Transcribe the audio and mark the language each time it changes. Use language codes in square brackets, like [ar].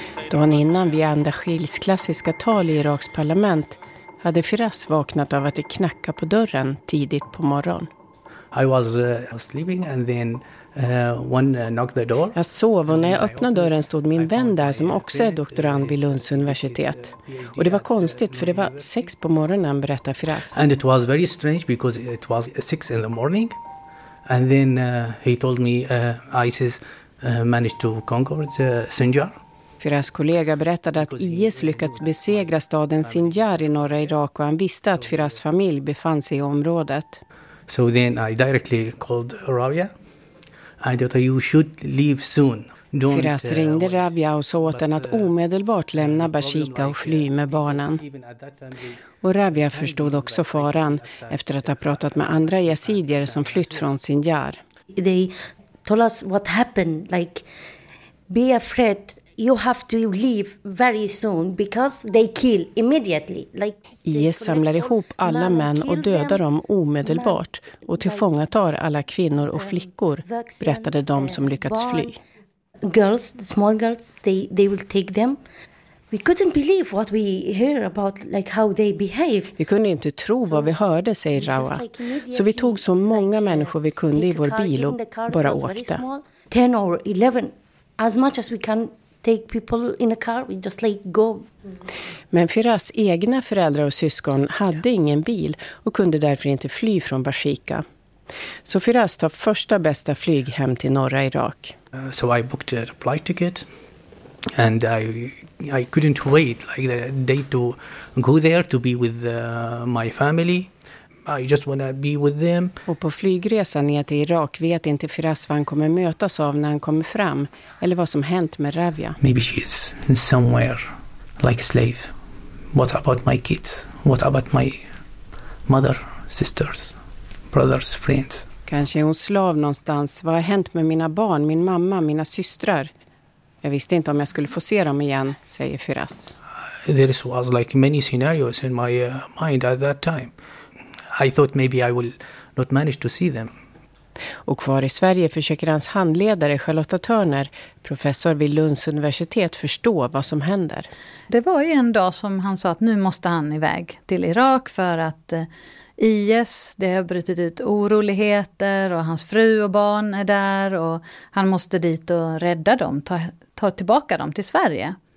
[sv] Dagen innan Vianda Shils klassiska tal i Iraks parlament hade Firas vaknat av att det knackade på dörren tidigt på morgon. [en] I was sleeping and then knocked the door. [sv] Jag sov och när jag öppnade dörren stod min vän där som också är doktorand vid Lunds universitet. Och det var konstigt för det var 6 på morgonen, berättar Firas. [en] And it was very strange because it was 6 in the morning. And then he told me ISIS managed to conquer Sinjar. [sv] Firas kollega berättade att IS lyckats besegra staden Sinjar i norra Irak och han visste att Firas familj befann sig i området. [en] So then I directly called Rabia. I thought you should leave soon. [sv] Firas ringde Rabia och sa åt henne att omedelbart lämna Bashika och fly med barnen. Och Rabia förstod också faran efter att ha pratat med andra yazidier som flytt från Sinjar. [en] They told us what happened, like be afraid. You have to leave very soon because they kill immediately. Like, [sv] IS samlar ihop alla män och dödar dem omedelbart och tillfångatar alla kvinnor och flickor, berättade de som lyckats fly. [en] Girls, small girls, they will take them. We couldn't believe what we hear about, like how they behave. [sv] Vi kunde inte tro vad vi hörde, säger Rawa. Så vi tog så många människor vi kunde i vår bil och bara åkte. [en] 10 or 11, as much as we can. Take people in a car, we just like go. [sv] Men Firas egna föräldrar och syskon hade ingen bil och kunde därför inte fly från Bashika. Så Firas tar första bästa flyg hem till norra Irak. [en] So I booked a flight ticket and I couldn't wait like the day to go there to be with my family. I just wanna be with them. [sv] Och på flygresan ner till Irak vet inte Firas vad han kommer mötas av när han kommer fram eller vad som hänt med Rabia. [en] Maybe she is somewhere like a slave. What about my kids? What about my mother, sisters, brothers, friends? [sv] Kanske är hon slav någonstans. Vad har hänt med mina barn, min mamma, mina systrar? Jag visste inte om jag skulle få se dem igen, säger Firas. [en] There was like many scenarios in my mind at that time. I thought maybe I will not manage to see them. [sv] Och kvar i Sverige försöker hans handledare Charlotta Törner, professor vid Lunds universitet, förstå vad som händer. Det var ju en dag som han sa att nu måste han iväg till Irak för att IS, det har brutit ut oroligheter och hans fru och barn är där och han måste dit och rädda dem, ta tillbaka dem till Sverige.